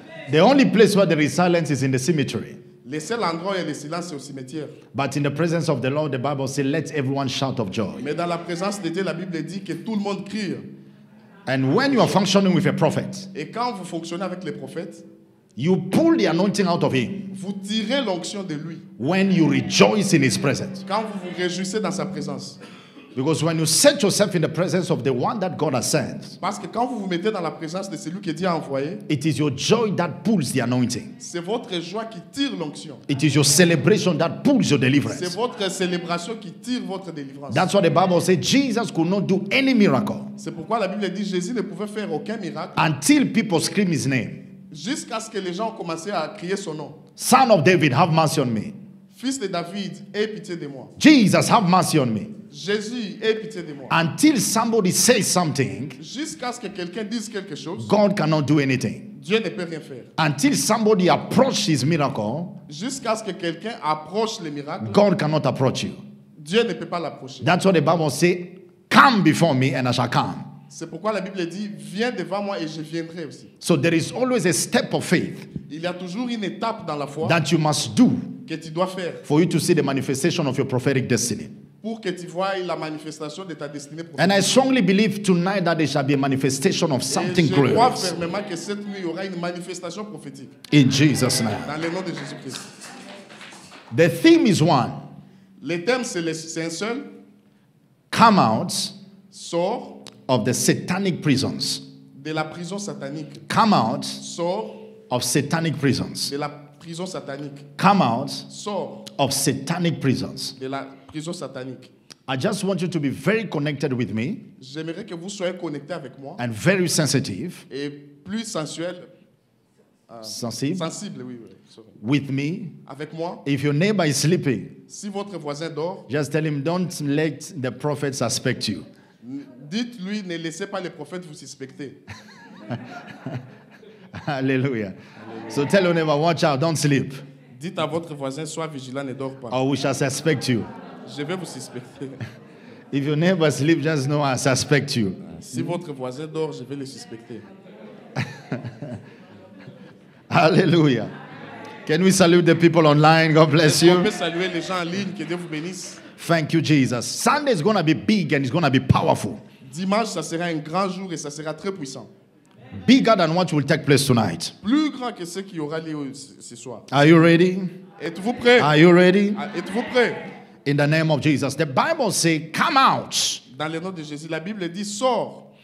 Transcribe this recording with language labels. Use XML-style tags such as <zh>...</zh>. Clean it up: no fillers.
<en>The only place where there is silence is in the cemetery.</en> <fr>Le seul endroit où il y a le silence c'est au cimetière.</fr> <en>But in the presence of the Lord, the Bible says, "Let everyone shout of joy."</en> <fr>Mais dans la présence de Dieu, la Bible dit que tout le monde crie.</fr> <en>And when you are functioning with a prophet,</en> <fr>et quand vous fonctionnez avec les prophètes,</fr> <en>you pull the anointing out of him.</en> <fr>Vous tirez l'onction de lui.</fr> <en>When you rejoice in his presence,</en> <fr>quand vous vous réjouissez dans sa présence.</fr> <en>Because when you set yourself in the presence of the one that God has sent,</en> <fr>parce que quand vous vous mettez dans la présence de celui que Dieu a envoyé,</fr> <en>it is your joy that pulls the anointing.</en> <fr>C'est votre joie qui tire l'onction.</fr> <en>It is your celebration that pulls your deliverance.</en> <fr>C'est votre célébration qui tire votre délivrance.</fr> <en>That's why the Bible says Jesus could not do any miracle.</en> <fr>C'est pourquoi la Bible dit Jésus ne pouvait faire aucun miracle.</fr> <en>Until people scream his name.</en> <fr>Jusqu'à ce que les gens commençaient à crier son nom.</fr> <en>Son of David, have mercy on me.</en> <fr>Fils de David, aie pitié de moi.</fr> <en>Jesus, have mercy on me.</en> <fr>Jésus, aie pitié de moi.</fr> <en>Until somebody says something,</en> <fr>jusqu'à ce que quelqu'un dise quelque chose,</fr> <en>God cannot do anything.</en> <fr>Dieu ne peut rien faire.</fr> <en>Until somebody approaches his miracle,</en> <fr>jusqu'à ce que quelqu'un approche le miracle,</fr> <en>God cannot approach you.</en> <fr>Dieu ne peut pas l'approcher.</fr> <en>That's what the Bible says, come before me and I shall come.</en> <fr>C'est pourquoi la Bible dit, viens devant moi et je viendrai aussi.</fr> <en>So there is always a step of faith.</en> <fr>Il y a toujours une étape dans la foi</fr> <en>that you must do,</en> <fr>que tu dois faire,</fr> <en>for you to see the manifestation of your prophetic destiny.</en> <fr>Pour que tu vois la manifestation de ta destinée prophétique.</fr> <en>And I strongly believe tonight that there shall be a manifestation of something great.</en> <fr>Je crois fermement que cette nuit il y aura une manifestation prophétique.</fr> <en>In Jesus' name.</en> <fr>Dans le nom de Jésus-Christ.</fr> <en>The theme is one.</en> <fr>Le thème c'est un seul.</fr> <en>Come out.</en> <fr>Sort.</fr> <en>Of the satanic prisons.</en> <fr>De la prison satanique.</fr> <en>Come out.</en> <fr>Sort.</fr> <en>Of satanic prisons.</en> <fr>De la prison satanique.</fr> <en>Come out.</en> <fr>Sort.</fr> <en>Of satanic prisons.</en> <fr>De la prison satanique.</fr> <en>I just want you to be very connected with me.</en> <fr>J'aimerais que vous soyez connecté avec moi.</fr> <en>And very sensitive.</en> <fr>Et plus sensuel. sensible oui,</fr> <en>with me.</en> <fr>Avec moi.</fr> <en>If your neighbor is sleeping,</en> <fr>si votre voisin dort,</fr> <en>just tell him, don't let the prophet suspect you.</en> <fr>Dites-lui, ne laissez pas les prophètes vous suspecter.</fr> <en>Hallelujah. So tell your neighbor, watch out, don't sleep.</en> <fr>Dites à votre voisin, sois vigilant, ne dors pas.</fr> <en>Or we shall suspect you.</en> <fr>Je vais vous suspecter.</fr> <en>If your neighbor sleeps, just know I suspect you.</en> <fr>Si votre voisin dort, je vais le suspecter.</fr> <en>Hallelujah. Can we salute the people online? God bless you.</en> <fr>Est-ce qu'on peut saluer les gens en ligne? Que Dieu vous bénisse.</fr> <en>Thank you, Jesus. Sunday is going to be big and it's going to be powerful.</en> <fr>Dimanche, ça sera un grand jour et ça sera très puissant.</fr> <en>Bigger than what will take place tonight.</en> <fr>Plus grand que ce qui aura lieu ce soir.</fr> <en>Are you ready?</en> <fr>Êtes-vous prêt?</fr> <en>Are you ready?</en> <fr>Êtes-vous prêt?</fr> <en>In the name of Jesus. The Bible says, come out.</en> <fr>Dans le nom de Jésus, la Bible dit, sors.</fr>